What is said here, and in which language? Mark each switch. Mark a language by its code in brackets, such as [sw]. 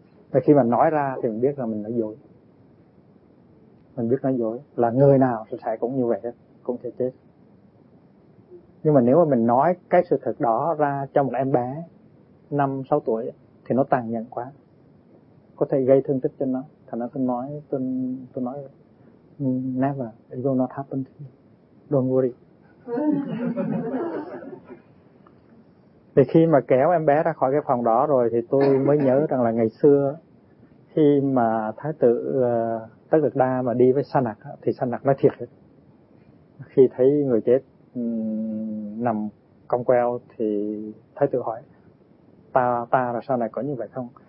[vi] Và khi mà nói ra thì mình biết là mình nói dối, mình biết nói dối là người nào sẽ cũng như vậy, cũng sẽ chết. Nhưng mà nếu mà mình nói cái sự thật đó ra cho một em bé 5-6 tuổi thì nó tàn nhẫn quá, có thể gây thương tích cho nó. Thành ra tôi nói [en] never, it will not happen to you, don't worry. [vi] Thì khi mà kéo em bé ra khỏi cái phòng đó rồi thì tôi mới nhớ rằng là ngày xưa khi mà thái tử Tất Đạt Đa mà đi với Sa Nạc thì Sa Nạc nói thiệt, khi thấy người chết nằm cong queo thì thái tử hỏi ta là sao này, có như vậy không?